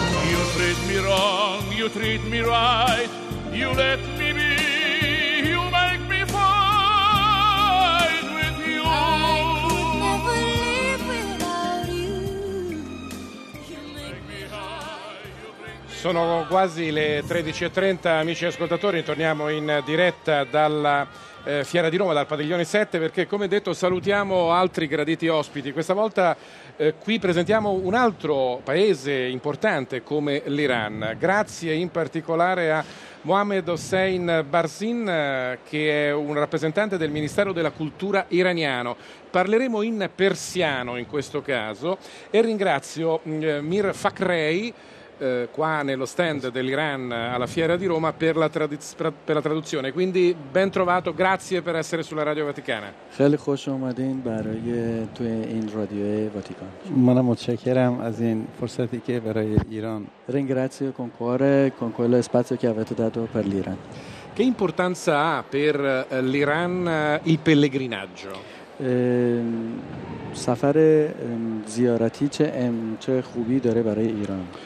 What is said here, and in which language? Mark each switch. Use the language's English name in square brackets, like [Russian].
[English] You treat me right, you let me be, you make me fine with you. I could never live without you. You make me high. [Italian] Sono quasi le 13:30, amici ascoltatori, torniamo in diretta dalla Fiera di Roma, dal padiglione 7, perché come detto salutiamo altri graditi ospiti. Questa volta qui presentiamo un altro paese importante come l'Iran, grazie in particolare a Mohammed Hossein Barzin, che è un rappresentante del Ministero della Cultura iraniano. Parleremo in persiano in questo caso e ringrazio Mir Fakhrei, qua nello stand dell'Iran alla Fiera di Roma, per la, per la traduzione. Quindi ben trovato, grazie per essere sulla Radio Vaticana. [Persian] خیلی خوش اومدین برای تو این رادیو واتیکان. منم متشکرم از این فرصتی که برای ایران. [Italian] Ringrazio con cuore con quello spazio che avete dato per l'Iran. Che importanza ha per l'Iran il pellegrinaggio? [Persian] سفر زیارتی چه خوبی داره برای ایران؟